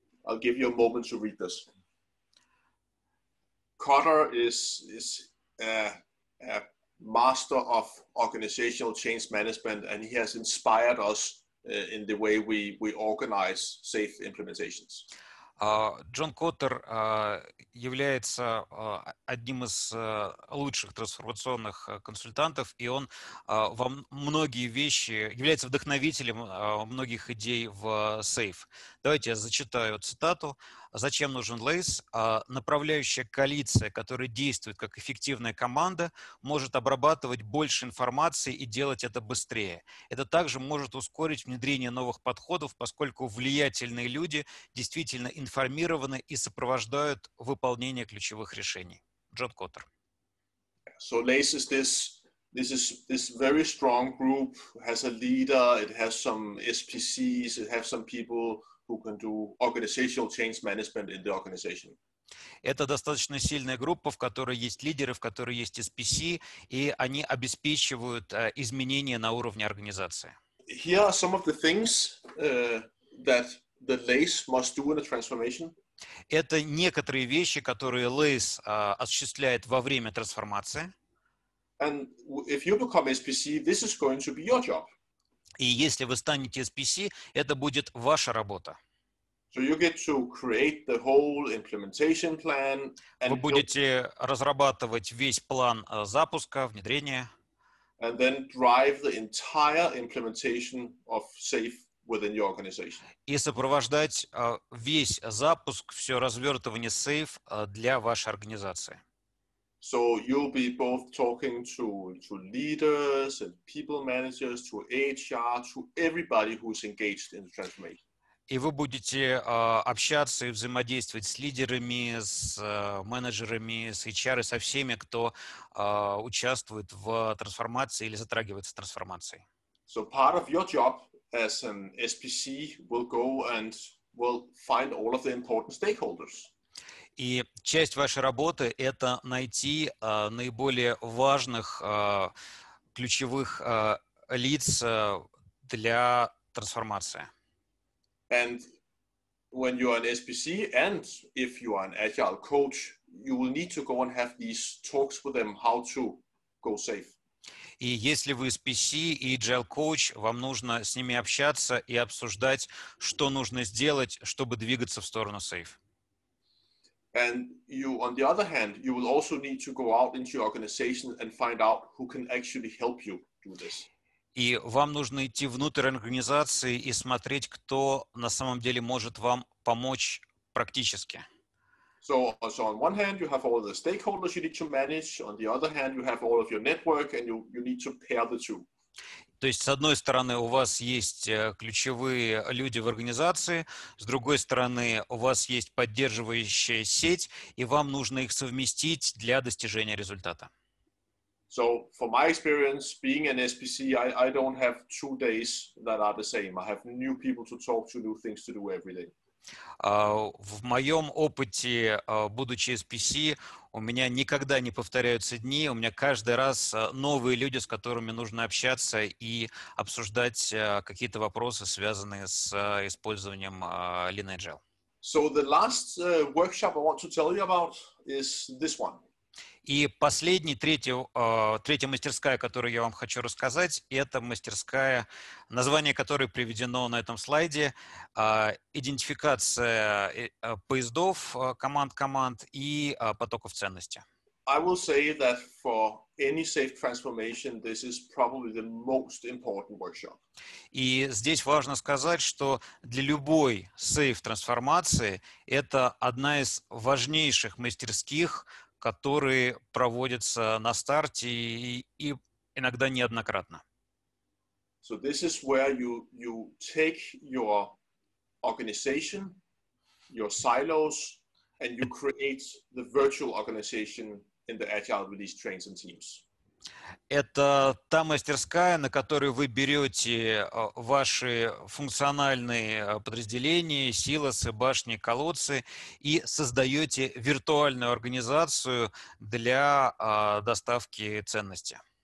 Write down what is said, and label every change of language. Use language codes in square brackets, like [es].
[en] I'll give you a moment to read this. Carter is a master of organizational change management, and he has inspired us in the way we organize SAFe implementations. [ru] Джон Коттер является одним из лучших трансформационных консультантов, и он во многие вещи является вдохновителем многих идей в SAFe. Давайте я зачитаю цитату. Зачем нужен LACE? Направляющая коалиция, которая действует как эффективная команда, может обрабатывать больше информации и делать это быстрее. Это также может ускорить внедрение новых подходов, поскольку влиятельные люди действительно информированы и сопровождают выполнение ключевых решений. Джон Коттер. [en] So LACE is this very strong group, has a leader, it has some SPCs, it has some people who can do organizational change management in the organization. [ru] Это достаточно сильная группа, в которой есть лидеры, в которой есть SPC, и они обеспечивают изменения на уровне организации. [en] Here are some of the things that the LACE must do in a transformation. [ru] Это некоторые вещи, которые LACE осуществляет во время трансформации. [en] And if you become SPC, this is going to be your job. [ru] И если вы станете SPC, это будет ваша работа. [en] So you get to create the whole implementation plan and [ru] вы будете разрабатывать весь план запуска, внедрения. [en] And then drive the entire implementation of SAFe within your organization. [ru] И сопровождать весь запуск, все развертывание SAFe для вашей организации. [en] So you'll be both talking to leaders and people managers, to HR, to everybody who's engaged in the transformation. [ru] И вы будете общаться и взаимодействовать с лидерами, с менеджерами, с HR, со всеми, кто участвует в трансформации или затрагивается трансформацией. [en] So part of your job as an SPC will go and will find all of the important stakeholders. [ru] И часть вашей работы – это найти наиболее важных ключевых лиц для трансформации. [en] And when you are an SPC, and if you are an agile coach, you will need to go and have these talks with them how to go SAFe. [ru] И если вы SPC и agile coach, вам нужно с ними общаться и обсуждать, что нужно сделать, чтобы двигаться в сторону SAFe. [en] And you, on the other hand, you will also need to go out into your organization and find out who can actually help you do this. [ru] И вам нужно идти внутрь организации и смотреть, кто на самом деле может вам помочь практически. [en] So on one hand, you have all the stakeholders you need to manage. On the other hand, you have all of your network, and you need to pair the two. [ru] То есть, с одной стороны, у вас есть ключевые люди в организации, с другой стороны, у вас есть поддерживающая сеть, и вам нужно их совместить для достижения результата. [en] So, from my experience, being an SPC, I don't have 2 days that are the same. I have new people to talk to, new things to do every day. [ru] В моем опыте, будучи SPC, у меня никогда не повторяются дни, у меня каждый раз новые люди, с которыми нужно общаться и обсуждать какие-то вопросы, связанные с использованием Lean Agile. [en] So the last workshop I want to tell you about is this one. [ru] И последний, третья мастерская, которую я вам хочу рассказать, это мастерская, название которой приведено на этом слайде, идентификация поездов команд и потоков ценности. [en] I will say that for any safe transformation, this is probably the most important workshop. [ru] И здесь важно сказать, что для любой safe трансформации это одна из важнейших мастерских, которые проводятся на старте и иногда неоднократно. [en] So this is where you take your organization, your silos, and you create the virtual organization in the Agile release trains and teams. [ru] Это та мастерская, на которой вы берете ваши функциональные подразделения, силосы, башни, колодцы и создаете виртуальную организацию для доставки ценности.